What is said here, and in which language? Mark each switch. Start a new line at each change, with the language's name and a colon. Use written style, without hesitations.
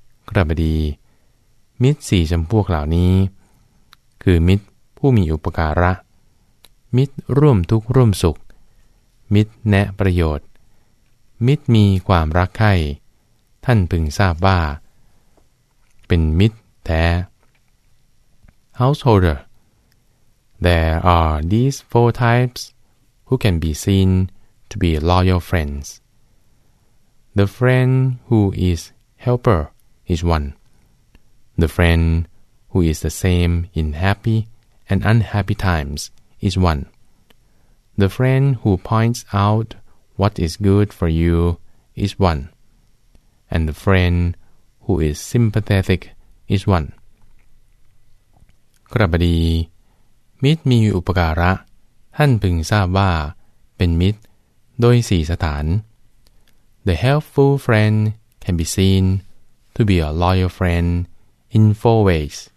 Thai: กระบดีมิตรสี่จำพวกเหล่านี้คือมิตรผู้มีอุปการะมิตรร่วมทุกข์ร่วมสุขมิตรแนะประโยชน์มิตรมีความรักใคร่ท่านพึงทราบว่าเป็นมิตรแท้
English: Householder There are these four types who can be seen to be loyal friends. The friend who is helper is one. The friend who is the same in happy and unhappy times is one. The friend who points out what is good for you is one. And the friend who is sympathetic is one.
Thai: กระบดีมิตรมีอุปการะท่านพึงทราบว่าเป็นมิตรโดยสี่สถาน
English: The helpful friend can be seen to be a loyal friend in four ways.